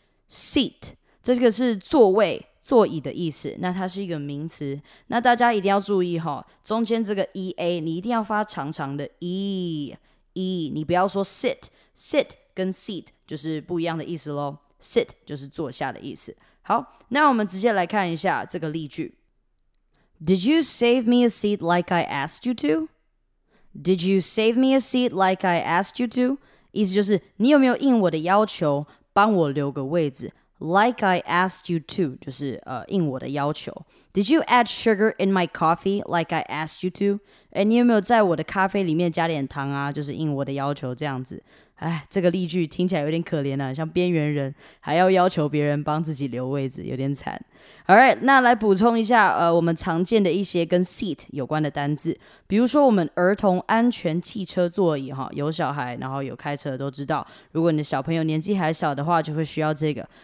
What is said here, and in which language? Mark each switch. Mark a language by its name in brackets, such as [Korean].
[Chinese] Seat 这个是座位、座椅的意思，那它是一个名词。那大家一定要注意哈，中间这个 ea 你一定要发长长的 e， 你不要说 sit。 Sit 跟 seat 就是不一样的意思咯。Sit 就是坐下的意思。好，那我们直接来看一下这个例句。 [English] Did you save me a seat like I asked you to? Did you save me a seat like I asked you to? [Chinese] 意思就是你有没有应我的要求帮我留个位置。 [English] Like I asked you to [Chinese] 就是应我的要求。 [English] Did you add sugar in my coffee like I asked you to? [Chinese] 哎，你有没有在我的咖啡里面加点糖啊？就是应我的要求这样子。哎，这个例句听起来有点可怜啊，像边缘人还要要求别人帮自己留位置，有点惨。 Alright, 那来补充一下我们常见的一些跟 seat 有关的单字。比如说我们儿童安全汽车座椅哈，有小孩然后有开车的都知道，如果你的小朋友年纪还小的话就会需要这个。